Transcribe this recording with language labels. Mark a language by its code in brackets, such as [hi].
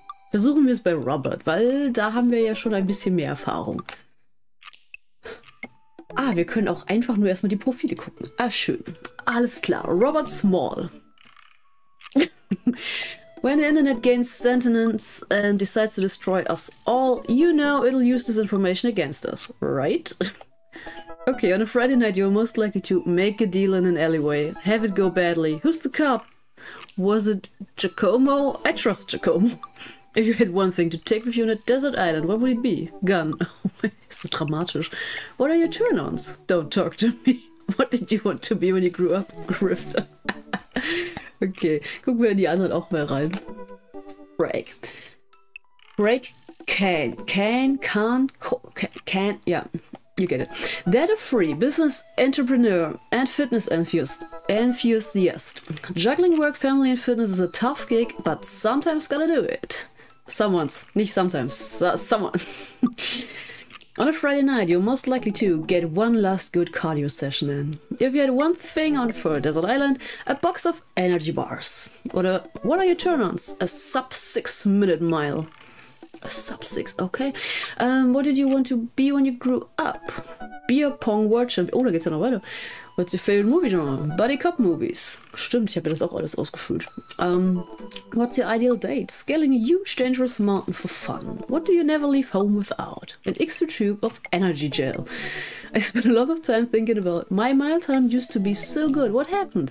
[de] Versuchen wir es bei Robert, weil da haben wir ja schon ein bisschen mehr Erfahrung. Ah, wir können auch einfach nur erstmal die Profile gucken. Ah, schön. Alles klar, Robert Small. [en] When the internet gains sentience and decides to destroy us all, you know it'll use this information against us, right? Okay, on a Friday night you're most likely to make a deal in an alleyway, have it go badly. Who's the cop? Was it Giacomo? I trust Giacomo. If you had one thing to take with you on a desert island, what would it be? Gun. [de] So dramatisch. [en] What are your turn-ons? Don't talk to me. What did you want to be when you grew up? Grifter. [de] Okay, gucken wir in die anderen auch mal rein. [en] Break. Break can. Can, can't, can, ja. You get it. Debt-free business entrepreneur and fitness enthusiast. Juggling work, family and fitness is a tough gig, but sometimes gotta do it. Someone's. [de] Nicht [en] sometimes. Someone's. On a Friday night, you're most likely to get one last good cardio session in. If you had one thing on for a desert island, a box of energy bars. What are your turn-ons? A sub 6 minute mile. A sub 6, okay. What did you want to be when you grew up? Beer Pong World Champion. [de] Oh, da geht's ja noch weiter. [en] What's your favorite movie genre? Buddy Cop Movies. [de] Stimmt, ich habe mir das auch alles ausgefüllt. [en] What's your ideal date? Scaling a huge dangerous mountain for fun. What do you never leave home without? An extra tube of energy gel. I spent a lot of time thinking about my mile time used to be so good. What happened?